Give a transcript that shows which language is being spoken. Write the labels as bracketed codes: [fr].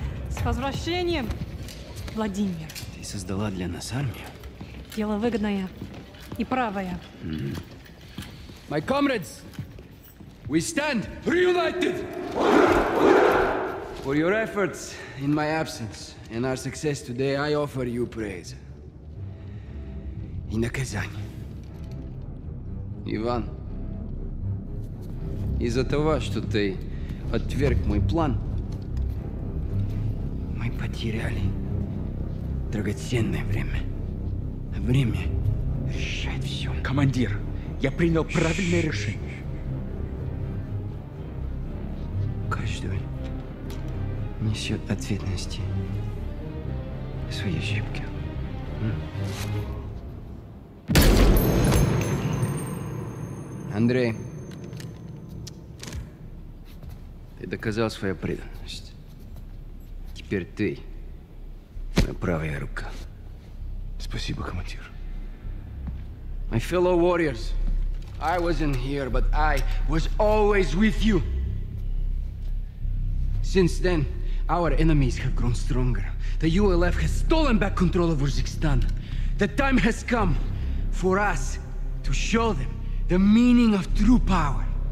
[ru] С возвращением, Владимир. Ты создала для нас армию? Дело выгодное и правое. Mm-hmm. [en] My comrades, we stand reunited for your efforts in my absence and our success today. I offer you praise in the Kazan. [ru] Иван, из-за того, что ты отверг мой план, мы потеряли драгоценное время. Время решает все. Командир. Я принял правильное решение. Каждый несет ответственность за свои ошибки. Андрей, ты доказал свою преданность. Теперь ты моя правая рука. Спасибо, командир. [en] My fellow warriors, I wasn't here, but I was always with you. Since then, our enemies have grown stronger. The ULF has stolen back control of Uzbekistan. The time has come for us to show them the meaning of true power.